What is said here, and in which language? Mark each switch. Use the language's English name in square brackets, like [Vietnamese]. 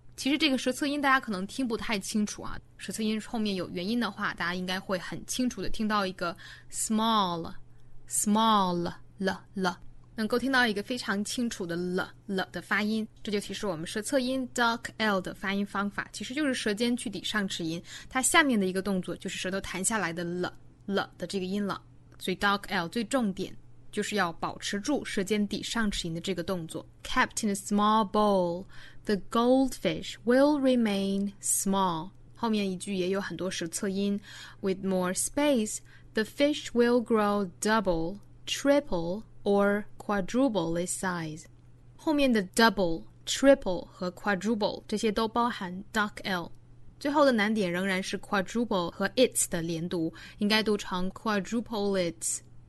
[Chinese] 其实这个舌侧音大家可能听不太清楚啊，舌侧音后面有元音的话大家应该会很清楚的听到一个 small small le 能够听到一个非常清楚的 le 的发音，这就提示我们舌侧音 dark l 的发音方法其实就是舌尖去抵上齿龈，它下面的一个动作就是舌头弹下来的 le 的这个音了。所以 dark L 最重点就是要保持住舌尖抵上齿龈的这个动作。 [English] Kept in a small bowl, the goldfish will remain small. [Chinese] 后面一句也有很多舌侧音。 [English] With more space, the fish will grow double, triple, or quadruple its size. [Chinese] 后面的 double, triple 和 quadruple 这些都包含 dark L。最后的难点仍然是 quadruple 和 its 的连读，应该读成 quadruple its。